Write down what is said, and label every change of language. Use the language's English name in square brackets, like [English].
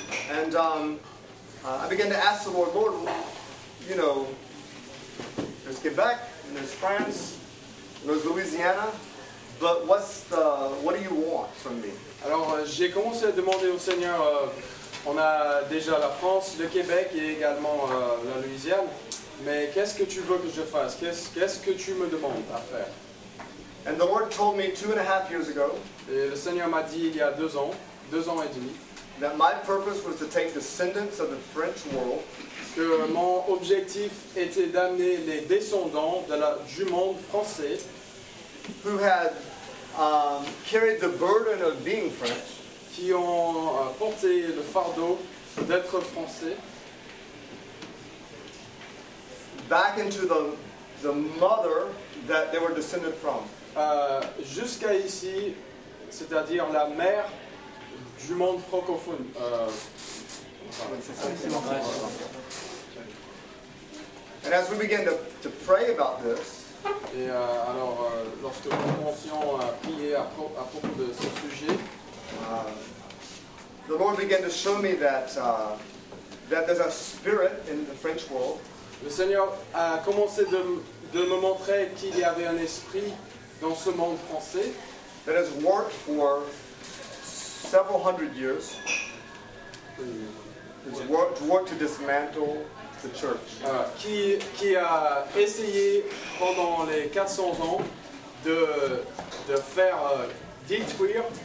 [English] And I began to ask the Lord, Lord, you know, there's Quebec, and there's France, and there's Louisiana, but what do you want from me? [French] Alors j'ai commencé à demander au Seigneur. On a déjà la France, le Québec et également la Louisiane. Mais qu'est-ce que tu veux que je fasse? Qu'est-ce que tu me demandes à faire? [English] And the Lord told me 2.5 years ago. [French] Et le Seigneur m'a dit il y a 2 ans, 2 ans et demi. [English] That my purpose was to take descendants of the French world. [French] Que mon objectif était d'amener les descendants du monde français. [English] Who had carried the burden of being French. [French] Qui ont porté le fardeau d'être français. [English] Back into the mother that they were descended from. [French] Jusqu'à ici, c'est-à-dire la mère du monde francophone. [English] And as we begin to pray about this. [French] Et alors, lorsque nous commencions à prier à propos de ce sujet. [English] The Lord began to show me that there's a spirit in the French world. [French] Le Seigneur a commencé de me montrer qu'il y avait un esprit dans ce monde français. [English] That has worked for several hundred years. It's worked to dismantle the church. [French] Qui a essayé pendant les 400 ans de faire détruire.